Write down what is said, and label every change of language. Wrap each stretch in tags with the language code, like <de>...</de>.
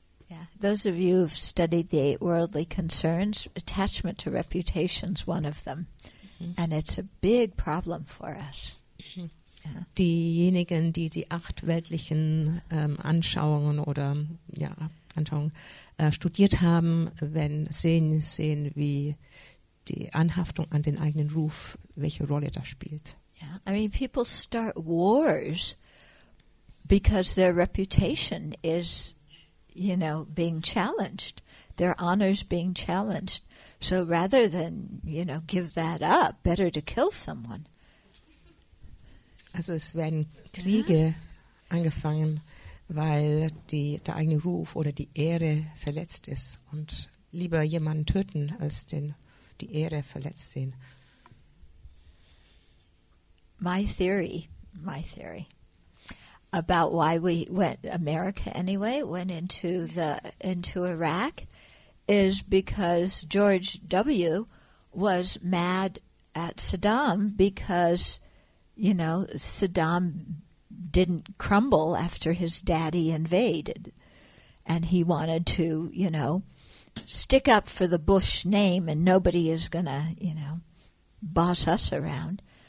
<en>Yeah, those of you who've studied the eight worldly concerns, attachment to reputation is one of them. Mm-hmm. And it's a big problem for us. Yeah.</en> <de>Diejenigen, die die acht weltlichen Anschauungen oder ja, Anschauungen studiert haben, wenn sehen, wie die Anhaftung an den eigenen Ruf, welche Rolle das spielt.</de> <en>Yeah. I mean, people start wars because their reputation is, you know, being challenged. Their honor is being challenged. So rather than, you know, give that up, better to kill someone.</en> <de>Also es werden Kriege, yeah, angefangen, weil der eigene Ruf oder die Ehre verletzt ist. Und lieber jemanden töten, als die Ehre verletzt sehen.</de> <en>My theory, about why we went, America anyway, went into Iraq, is because George W. was mad at Saddam because, you know, Saddam didn't crumble after his daddy invaded, and he wanted to, you know, stick up for the Bush name, and nobody is gonna, you know, boss us around.</en>